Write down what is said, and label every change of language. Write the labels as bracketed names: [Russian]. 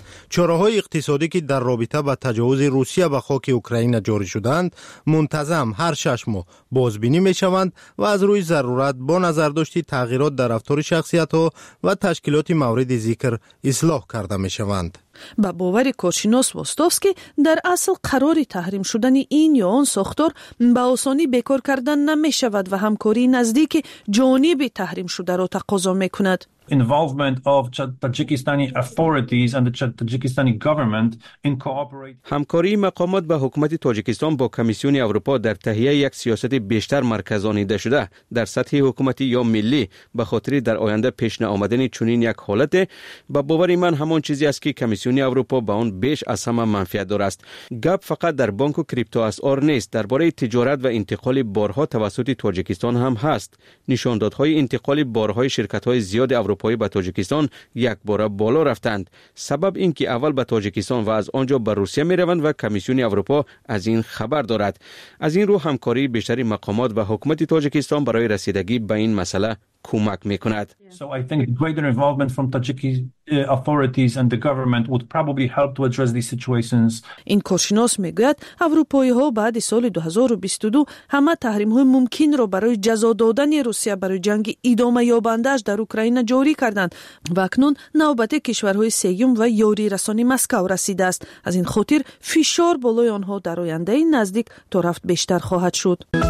[Persian] چاره های اقتصادی که در رابطه با تجاوز روسیه به خاک اوکراین جاری شدند منتظم هر 6 ماه بازبینی می شوند و از روی ضرورت با نظر داشتی تغییرات در رفتار شخصیت ها و تشکیلات مورد ذکر اصلاح کرده می شوند. با باور کارشناس واستوفسکی در اصل قرار تحریم شدن این یا آن ساختار به آسانی بیکار کردن نمی شود و همکاری نزدیک جانب تحریم شده را تقاضا می کند. [English] Involvement of Tajikistani authorities and the Tajikistani government in cooperating. [Persian] همکاری مقامات به حکومت تاجیکستان با کمیسیون اروپا در تهیه یک سیاست بیشتر مرکزانیده شده در سطح حکومتی یا ملی به خاطر در آینده پیش آمدن چنین یک حالت، به باور من همان چیزی است که کمیسیون اروپا به آن بیش از همه منفعت دار است. گپ فقط در بانک و کریپتو اسعار نیست، درباره تجارت و انتقال بارها توسط تاجیکستان هم هست. نشان دادهای انتقال بارهای شرکت های زیاد اروپایی به تاجیکستان یک بار بالا رفتند. سبب این که اول به تاجیکستان و از آنجا به روسیه می روند و کمیسیون اروپا از این خبر دارد. از این رو همکاری بیشتری مقامات و حکومت تاجیکستان برای رسیدگی به این مسئله کمک می کند. [English] So I think greater involvement from Tajiki authorities and the government would probably help to address these situations. [Persian] این کارشناس می گوید اروپایی ها بعد سال 2022 همه تحریم های ممکن را برای جزا دادن روسیه برای جنگ ادامه یابندش در اوکراین جاری کردند و اکنون نوبت کشورهای سیوم و یاری رسانی مسکو رسیده است. از این خاطر فشار بالای آنها در آینده نزدیک تا رفت بیشتر خواهد شد.